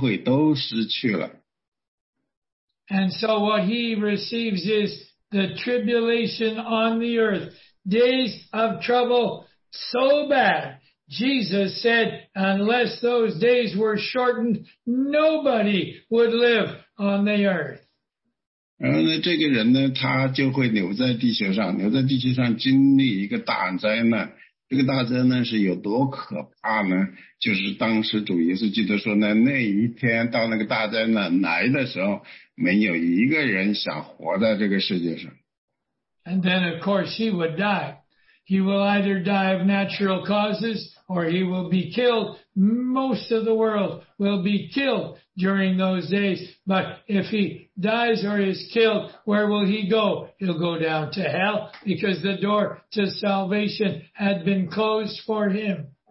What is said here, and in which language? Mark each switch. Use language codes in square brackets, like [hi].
[zh] 然后他走到中间这条路呢，他来到这里呢，他就会发现呢，他没有任何的机会再进去天堂了，所有的机会都失去了。 [en] And so what he receives is the tribulation on the earth. Days of trouble so bad, Jesus said, unless those days were shortened, nobody would live on the earth. [zh] 然后呢，这个人呢，他就会留在地球上，留在地球上经历一个大灾难。这个大灾难是有多可怕呢？就是当时主耶稣基督说呢，那一天到那个大灾难来的时候，没有一个人想活在这个世界上。 [en] And then, of course, he would die. He will either die of natural causes or he will be killed. Most of the world will be killed during those days. But if he dies or is killed, where will he go? He'll go down to hell because the door to salvation had been closed for him.